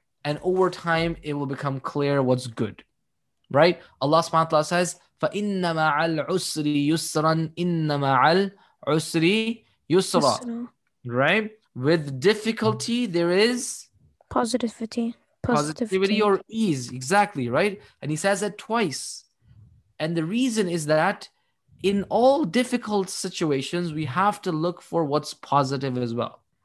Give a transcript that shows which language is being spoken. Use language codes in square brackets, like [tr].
[en] And over time, it will become clear what's good, right? [ar] Allah subhanahu wa ta'ala says, فَإِنَّ مَعَ الْعُسْرِ يُسْرًا إِنَّ مَعَ الْعُسْرِ يُسْرًا. [en] Right? With difficulty, there is positivity or ease. Exactly, right? And he says that twice. And the reason is that in all difficult situations, we have to look for what's positive as well.